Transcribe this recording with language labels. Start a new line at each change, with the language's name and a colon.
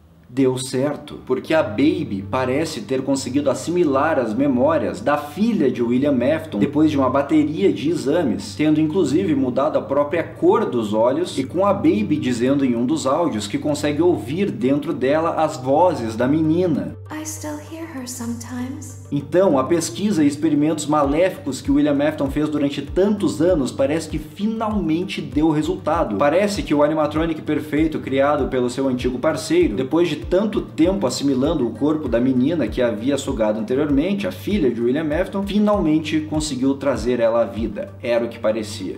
Portuguese: deu certo, porque a Baby parece ter conseguido assimilar as memórias da filha de William Afton depois de uma bateria de exames, tendo inclusive mudado a própria cor dos olhos, e com a Baby dizendo em um dos áudios que consegue ouvir dentro dela as vozes da menina.
English: I still hear her sometimes.
Portuguese: Então, a pesquisa e experimentos maléficos que William Afton fez durante tantos anos parece que finalmente deu resultado. Parece que o animatronic perfeito criado pelo seu antigo parceiro, depois de tanto tempo assimilando o corpo da menina que havia sugado anteriormente, a filha de William Afton, finalmente conseguiu trazer ela à vida. Era o que parecia.